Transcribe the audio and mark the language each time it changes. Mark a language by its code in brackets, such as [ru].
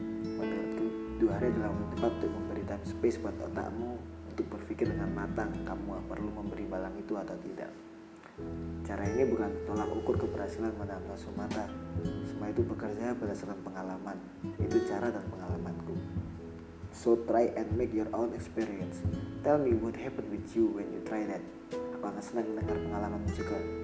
[id] Menurutku, 2 hari adalah waktu tepat untuk memberi time space buat otakmu untuk berpikir dengan matang kamu perlu memberi barang itu atau tidak. Cara ini bukan tolak ukur keberhasilan menahan nafsu mata. Semua itu bekerja berdasarkan pengalaman. Itu cara dan pengalamanku. [en] So try and make your own experience. Tell me what happened with you when you try that. [id] Aku akan senang mendengar pengalamanmu juga.